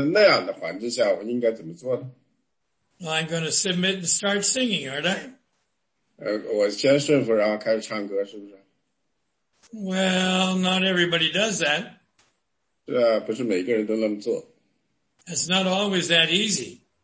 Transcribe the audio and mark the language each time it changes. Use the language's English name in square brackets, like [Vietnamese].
[Chinese] 所以呢，因此在那个我的人生中间的那样的环境下，我应该怎么做呢？ [English] Well, I'm going to submit and start singing, aren't I? [Chinese] 我先顺服，然后开始唱歌，是不是？ [English] Well, not everybody does that. [Chinese] 对啊，不是每个人都那么做。 [English] It's not always that easy.